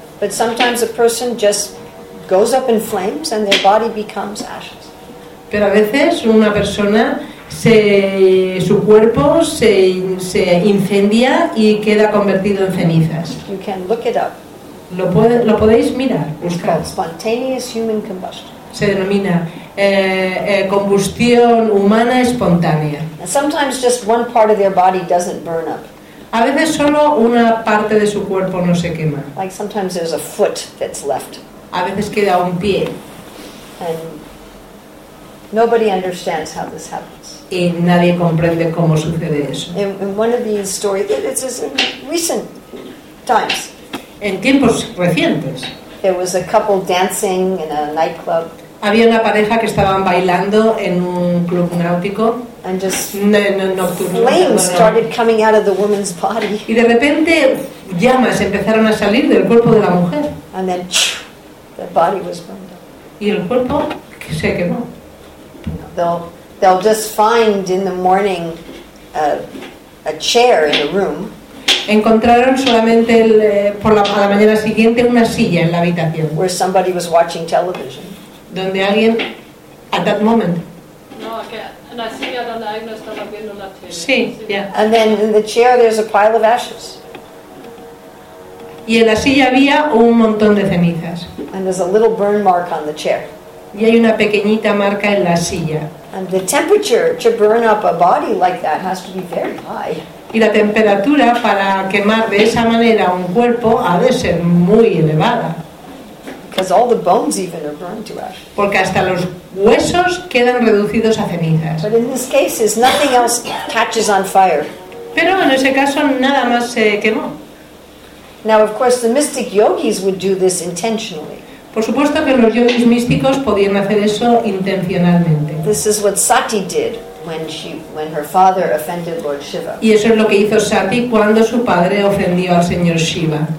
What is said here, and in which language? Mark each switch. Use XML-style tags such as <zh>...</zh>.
<en>But sometimes a person just goes up in flames and their body becomes ashes.</en> <es>Pero a veces una persona su cuerpo se incendia y queda convertido en cenizas.</es> <en>You can look it up.</en> <es>Lo podéis mirar, buscar.</es> <en>It's called spontaneous human combustion.</en> <es>Se denomina combustión humana espontánea.</es> <en>And sometimes just one part of their body doesn't burn up.</en> <es>A veces solo una parte de su cuerpo no se quema.</es> <en>Like sometimes there's a foot that's left.</en> <es>A veces queda un pie.</es> <en>And nobody understands how this happens.</en> <es>Y nadie comprende cómo sucede eso.</es> <en>In one of these stories, it's in recent times.</en> <es>En tiempos recientes.</es> <en>There was a couple dancing in a nightclub.</en> <es>Había una pareja que estaban bailando en un club náutico.</es> <en>And just</en> <es>nocturno.</es> <en>Flames started coming out of the woman's body.</en> <es>Y de repente llamas empezaron a salir del cuerpo de la mujer.</es> <en>And then the body was burned up.</en> <es>Y el cuerpo se quemó.</es> <en>They'll just find in the morning a chair in the room.</en> <es>Encontraron solamente a la mañana siguiente una silla en la habitación.</es> <en>Where somebody was watching television.</en> <es>Donde alguien,</es> <en>at that moment. No, okay.</en> <es>Una silla donde alguien estaba viendo la tele. Sí, yeah.</es> <en>And then in the chair there's a pile of ashes.</en> <es>Y en la silla había un montón de cenizas.</es> <en>And there's a little burn mark on the chair.</en> <es>Y hay una pequeñita marca en la silla.</es> <en>And the temperature to burn up a body like that has to be very high.</en> <es>Y la temperatura para quemar de esa manera un cuerpo ha de ser muy elevada.</es> <en>Because all the bones even are burned to ash.</en> <es>Porque hasta los huesos quedan reducidos a cenizas.</es> <en>But in this case, nothing else catches on fire.</en> <es>Pero en ese caso nada más se quemó.</es> <en>Now, of course, the mystic yogis would do this intentionally.</en> <es>Por supuesto que los yogis místicos podían hacer eso intencionalmente.</es> <en>This is what Sati did when her father offended Lord Shiva.</en> <es>Y eso es lo que hizo Sati cuando su padre ofendió al señor Shiva.</es>